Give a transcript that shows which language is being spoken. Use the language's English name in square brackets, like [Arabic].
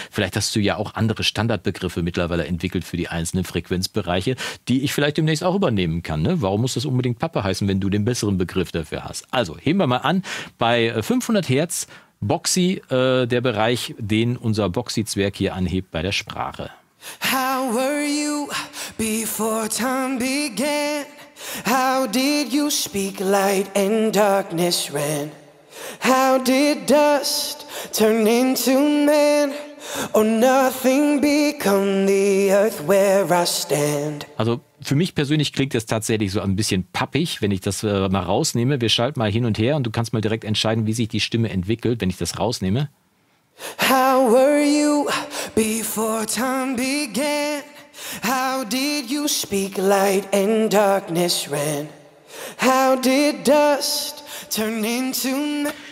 [German] Vielleicht hast du ja auch andere Standardbegriffe mittlerweile entwickelt für die einzelnen Frequenzbereiche, die ich vielleicht demnächst auch übernehmen kann, ne? Warum muss das unbedingt Pappe heißen, wenn du den besseren Begriff dafür hast? Also, heben wir mal an bei 500 Hertz. Boxy, der Bereich, den unser Boxy-Zwerg hier anhebt bei der Sprache. [English] How were you before time began? How did you speak light and darkness ran? How did dust turn into man? Oh, nothing become the earth where I stand. [German] Also für mich persönlich klingt das tatsächlich so ein bisschen pappig, wenn ich das mal rausnehme. Wir schalten mal hin und her und du kannst mal direkt entscheiden, wie sich die Stimme entwickelt, wenn ich das rausnehme. [English] How were you before time began? How did you speak light and darkness ran? How did dust turn into man?